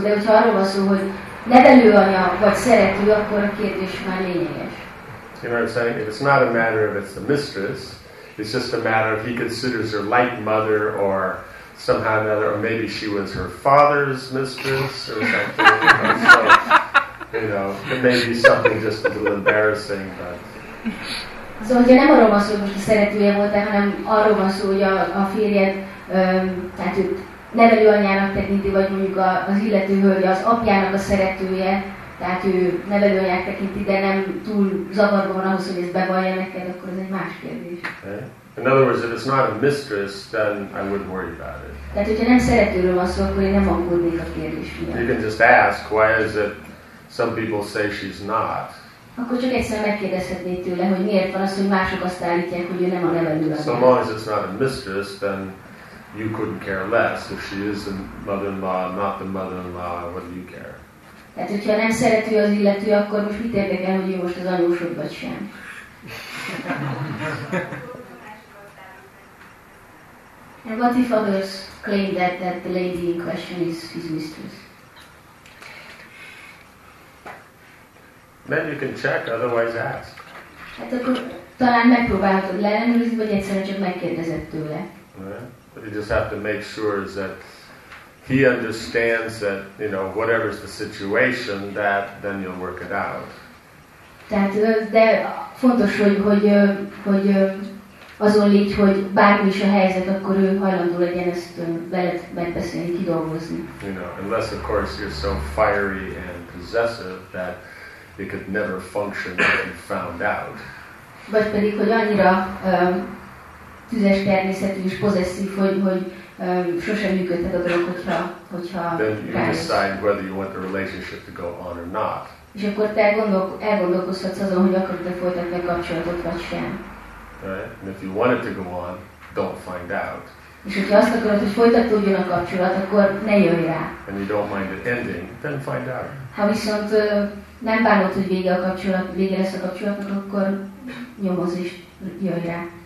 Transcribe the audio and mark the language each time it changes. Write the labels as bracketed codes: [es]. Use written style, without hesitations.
[hu] De hogyha arról van szó, hogy nevelőanyja vagy szerető, akkor a kérdés már lényeges. [en] You know what I'm saying? If it's not a matter of it's the mistress, it's just a matter of he considers her like mother or somehow or another, or maybe she was her father's mistress or something. So, you know, it may be something just a little embarrassing, but. [hu] So, hogyha nem arról van szó, hogy most a szeretője volt, hanem arról van szó, hogy a férjed, tehát őt nevelőanyjának tekinti, vagy mondjuk az illető hölgy az apjának a szeretője, tehát ő nevelőanyját tekinti, de nem túl zavarban van ahhoz, hogy ezt bevallja neked, akkor ez egy más kérdés. [en] In other words, if it's not a mistress, then I wouldn't worry about it. [hu] Tehát, hogyha nem szeretőről van szó, akkor én nem aggódnék a kérdés miatt. [en] You can just ask, why is it some people say she's not? [hu] Akkor csak egyszerűen megkérdezhetnéd tőle, hogy miért van az, hogy mások azt állítják, hogy ő nem a nevelőanyja. [en] So long as it's not a mistress, then you couldn't care less. If she is the mother-in-law, not the mother-in-law, what do you care? [hu] Tehát, hogyha nem szerető az illető, akkor most mit érdekel, hogy ő most az anyósod vagy sem? [en] And what if others claim that the lady in question is his mistress? Then you can check, otherwise ask. [hu] Hát akkor talán megpróbálhatod leellenőrizni, vagy egyszerűen csak megkérdezed tőle. [en] But you just have to make sure that he understands that, you know, whatever's the situation, that then you'll work it out. [hu] Tehát, de fontos, hogy azon légy, hogy bármi is a helyzet, akkor ő hajlandó legyen ezt veled megbeszélni, kidolgozni. [en] You know, unless of course you're so fiery and possessive that it could never function if you found out. [hu] Vagy pedig, hogy annyira tüzes természetű és possessív, hogy sosem működhet a dolog, hogyha [en] then you [hu] rájössz. [en] Decide whether you want the relationship to go on or not. [hu] És akkor te elgondolkozhatsz azon, hogy akarod-e folytatni a kapcsolatot, vagy sem. [en] Right? And if you want it to go on, don't find out. [hu] És hogyha azt akarod, hogy folytatódjon a kapcsolat, akkor ne jöjj rá. [en] And you don't mind it ending, then find out. [hu] Ha viszont nem bánod, hogy vége a kapcsolat, vége lesz a kapcsolatnak, akkor nyomozz és jöjj rá.